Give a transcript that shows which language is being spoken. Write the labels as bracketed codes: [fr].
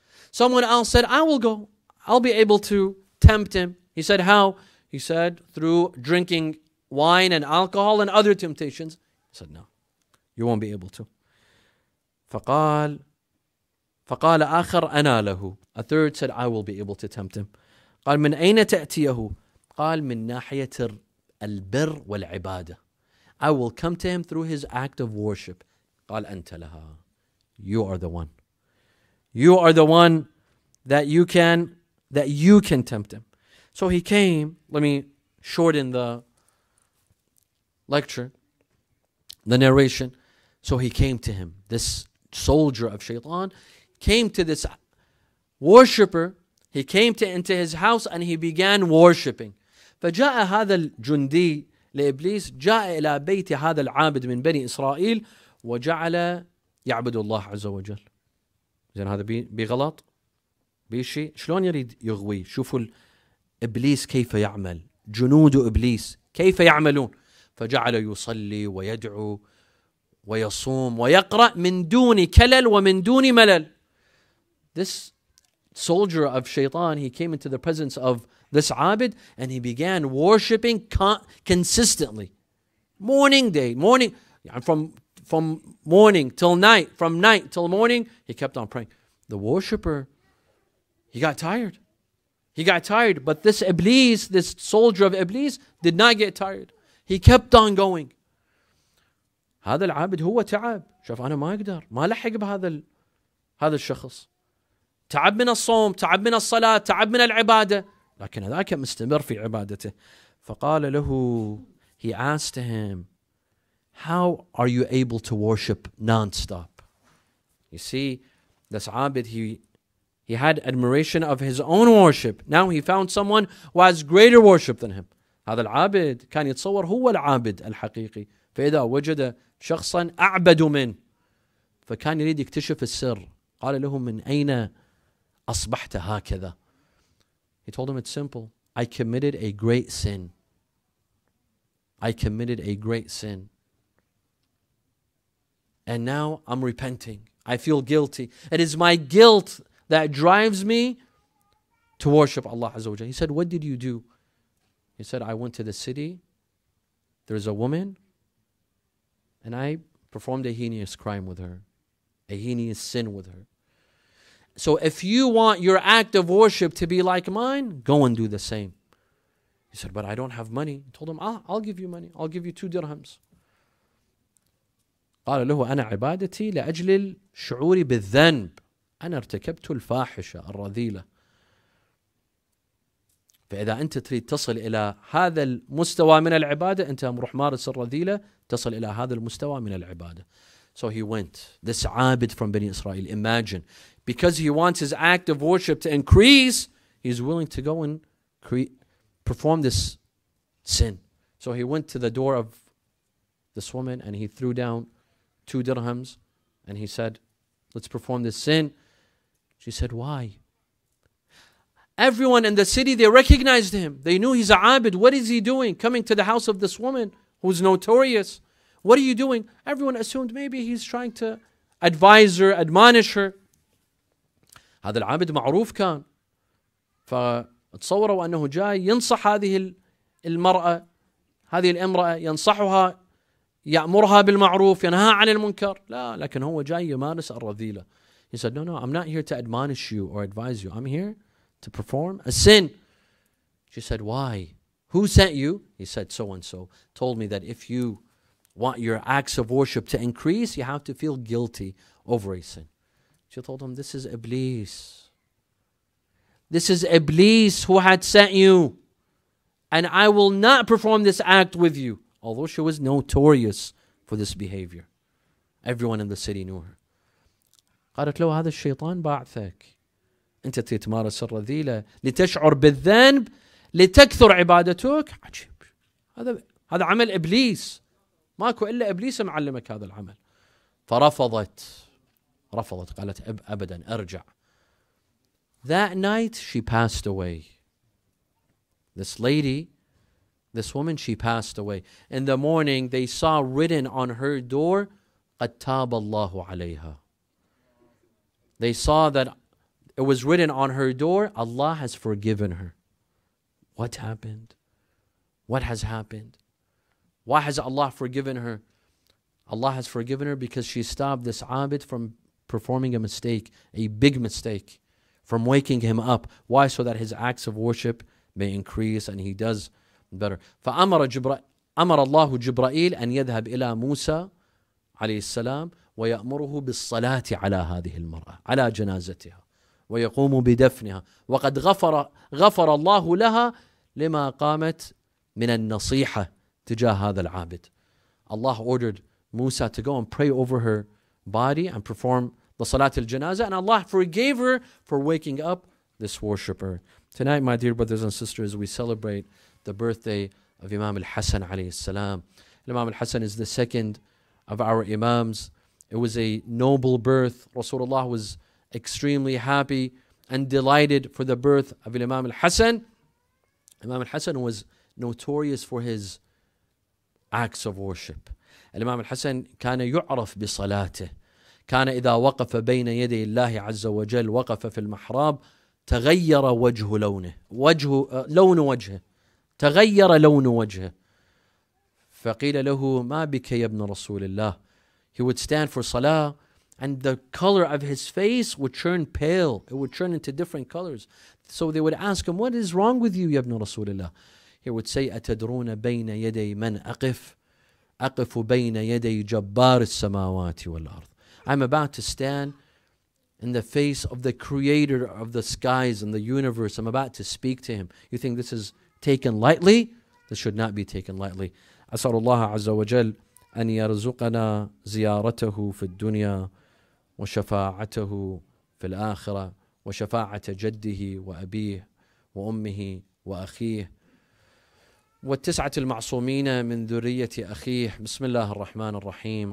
[en] Someone else said, I will go. I'll be able to tempt him. He said, how? He said, through drinking wine and alcohol and other temptations. He said, no, you won't be able to. [ar] فَقَالَ آخر أَنَا لَهُ. [en] A third said, I will be able to tempt him. [ar] قال من أين تأتيه؟ قال من ناحية البر والعبادة. [en] I will come to him through his act of worship. [ar] قال أنت لها. [en] You are the one. You are the one that you can... that you can tempt him. So he came. Let me shorten the lecture, the narration. So he came to him. This soldier of Shaytan came to this worshipper. He came to into his house and he began worshipping. [ar] فجاء هذا الجندي لإبليس جاء إلى بيت هذا العابد من بني إسرائيل وجعل يعبد الله عز وجل. زين هذا بغلط. بيشي شلون يريد يغوي؟ شوفوا إبليس كيف يعمل، جنود إبليس كيف يعملون. فجعل يصلي ويدعو ويصوم ويقرأ من دون كلل ومن دون ملل. [en] This soldier of Shaytan, he came into the presence of this abid and he began worshiping consistently, morning day, morning, from morning till night, from night till morning, he kept on praying. The worshipper, he got tired. He got tired. But this Iblis, this soldier of Iblis, did not get tired. He kept on going. [ar] هذا العابد هو تعب. شوف أنا ما أقدر. ما لحق بهذا هذا الشخص. تعب من الصوم. تعب من الصلاة. تعب من العبادة. لكن هذا كان مستمر في عبادته. فقال له, [en] he asked him, how are you able to worship non-stop? You see, this عابد, he had admiration of his own worship. Now he found someone who has greater worship than him. [ar] هذا العابد كان يتصور هو العابد الحقيقي. فإذا وجد شخصا أعبد منه. فكان يريد يكتشف السر. قال لهم من أين أصبحت هكذا. [en] He told him, it's simple. I committed a great sin. I committed a great sin. And now I'm repenting. I feel guilty. It is my guilt that drives me to worship Allah Azza wa Jalla. He said, what did you do? He said, I went to the city. There's a woman. And I performed a heinous crime with her. A heinous sin with her. So if you want your act of worship to be like mine, go and do the same. He said, but I don't have money. He told him, I'll give you money. I'll give you 2 dirhams. [ar] قال له أنا عبادتي لأجل الشعور بالذنب أنا ارتكبت الفاحشة الرذيلة. فإذا أنت تريد تصل إلى هذا المستوى من العبادة أنت مروح مارس الرذيلة تصل إلى هذا المستوى من العبادة. [en] So he went, this abid from Bani Israel, imagine, because he wants his act of worship to increase, he's willing to go and perform this sin. So he went to the door of this woman and he threw down 2 dirhams and he said, let's perform this sin. She said, why? Everyone in the city, they recognized him. They knew he's an abid. What is he doing coming to the house of this woman who's notorious? What are you doing? Everyone assumed maybe he's trying to advise her, admonish her. [ar] هذا العابد معروف كان. فتصوروا أنه جاي ينصح هذه المرأة, هذه الامرأة, ينصحها, يأمرها بالمعروف, ينهى عن المنكر. لا, لكن هو جاي يمارس الرذيلة. [en] He said, no, I'm not here to admonish you or advise you. I'm here to perform a sin. She said, why? Who sent you? He said, so-and-so told me that if you want your acts of worship to increase, you have to feel guilty over a sin. She told him, this is Iblis. This is Iblis who had sent you. And I will not perform this act with you. Although she was notorious for this behavior. Everyone in the city knew her. [ar] قالت له هذا الشيطان بعثك. أنت تتمارس الرذيلة لتشعر بالذنب لتكثر عبادتك. عجيب. هذا عمل إبليس. ماكو إلا إبليس معلمك هذا العمل. فرفضت. رفضت. قالت أبدا أرجع. [en] That night she passed away. This lady, this woman, she passed away. In the morning, they saw written on her door, [ar] قَدْ تَابَ اللَّهُ عَلَيْهَا. [en] They saw that it was written on her door, Allah has forgiven her. What happened? What has happened? Why has Allah forgiven her? Allah has forgiven her because she stopped this abid from performing a mistake, a big mistake, from waking him up. Why? So that his acts of worship may increase and he does better. [ar] فأمر الله جبرائيل أن يذهب إلى موسى عليه السلام ويأمره بالصلاة على هذه المرأة على جنازتها ويقوم بدفنها وقد غفر الله لها لما قامت من النصيحة تجاه هذا العابد. [en] Allah ordered Musa to go and pray over her body and perform the Salat al-Janazah, and Allah forgave her for waking up this worshipper. Tonight, my dear brothers and sisters, we celebrate the birthday of Imam al-Hasan alayhi salam. Imam al-Hasan is the second of our imams. It was a noble birth. Rasulullah was extremely happy and delighted for the birth of Imam al-Hasan. Imam al-Hasan was notorious for his acts of worship. [ar] Imam al-Hasan كان يعرف بصلاته. كان إذا وقف بين يدي الله عز وجل وقف في المحراب تغير وجه لونه. لون وجهه تغير. فقيل له ما بك يا ابن رسول الله. [en] He would stand for salah and the color of his face would turn pale. It would turn into different colors. So they would ask him, what is wrong with you, [ar] يا ابن رسول الله? [en] He would say, [ar] أتدرون بين يدي من أقف؟ أقف بين يدي جبار السماوات والأرض. [en] I'm about to stand in the face of the creator of the skies and the universe. I'm about to speak to him. You think this is taken lightly? This should not be taken lightly. [ar] أسأل الله عز وجل أن يرزقنا زيارته في الدنيا وشفاعته في الآخرة وشفاعة جده وأبيه وأمه وأخيه والتسعة المعصومين من ذرية أخيه. بسم الله الرحمن الرحيم.